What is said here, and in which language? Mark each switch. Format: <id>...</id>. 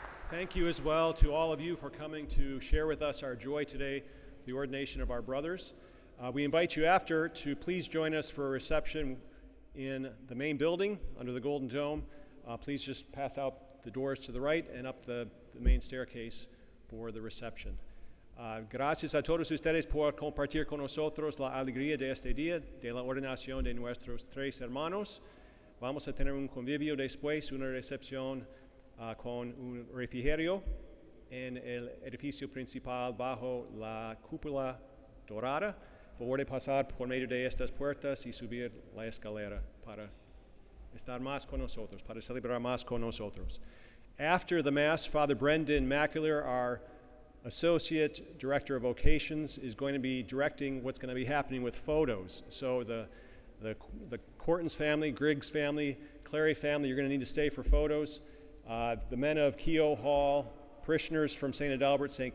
<en>Thank you as well to all of you for coming to share with us our joy today, the ordination of our brothers. We invite you after to please join us for a reception in the main building under the Golden Dome. Please just pass out the doors to the right and up the main staircase for the reception.</en> <es>Gracias a todos ustedes por compartir con nosotros la alegría de este día de la ordenación de nuestros tres hermanos. Vamos a tener un convivio después, una recepción con un refrigerio en el edificio principal bajo la cúpula dorada. Favor de pasar por medio de estas puertas y subir la escalera para estar más con nosotros, para celebrar más con nosotros.</es> <en>After the Mass, Father Brendan McAleer, our Associate Director of Vocations, is going to be directing what's going to be happening with photos. So the Cortins family, Griggs family, Clary family, you're going to need to stay for photos. The men of Keough Hall, parishioners from St. Adalbert, St.</en>